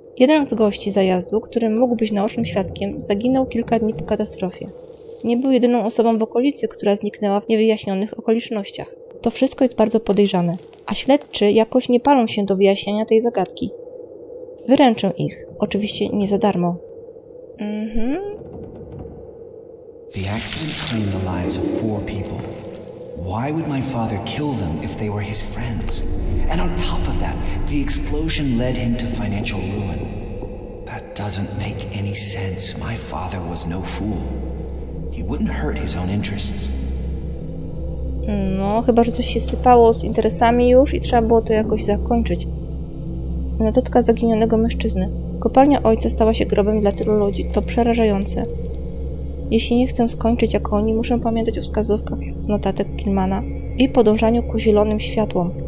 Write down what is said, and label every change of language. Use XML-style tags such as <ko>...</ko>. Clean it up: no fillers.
<pl>Jeden z gości zajazdu, który mógł być naocznym świadkiem, zaginął kilka dni po katastrofie. Nie był jedyną osobą w okolicy, która zniknęła w niewyjaśnionych okolicznościach. To wszystko jest bardzo podejrzane, a śledczy jakoś nie palą się do wyjaśniania tej zagadki. Wyręczę ich, oczywiście nie za darmo.</pl> <en>The accident claimed the lives of 4 people. Why would my father kill them if they were his friends? And on top of that, the explosion led him to financial ruin. That doesn't make any sense. My father was no fool. He wouldn't hurt his own interests.</en> <pl>No, chyba że coś się sypało z interesami już i trzeba było to jakoś zakończyć. Notatka zaginionego mężczyzny. Kopalnia ojca stała się grobem dla tylu ludzi. To przerażające. Jeśli nie chcę skończyć jak oni, muszę pamiętać o wskazówkach z notatek Gilmana i podążaniu ku zielonym światłom.</pl>